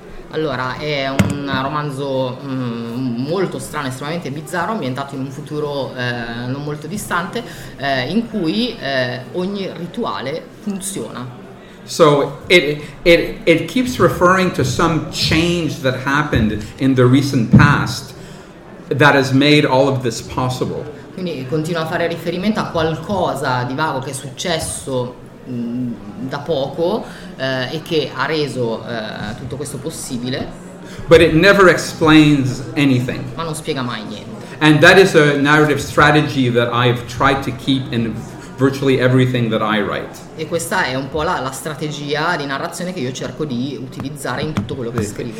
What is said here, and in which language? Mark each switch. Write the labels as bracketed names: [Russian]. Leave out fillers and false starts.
[Italian] Allora, è un romanzo molto strano, estremamente bizzarro, ambientato in un futuro non molto distante, in cui ogni rituale funziona. [English] So it keeps referring to some change that happened in the recent past that has made all of this possible. [Italian] Quindi continua a fare riferimento a qualcosa di vago che è successo da poco e che ha reso tutto questo possibile. [English] But it never explains anything. [Italian] Ma non spiega mai niente. [English] And that is a narrative strategy that I've tried to keep in virtually everything that I write. [Italian] E questa è un po' la strategia di narrazione che io cerco di utilizzare in tutto quello che scrivo.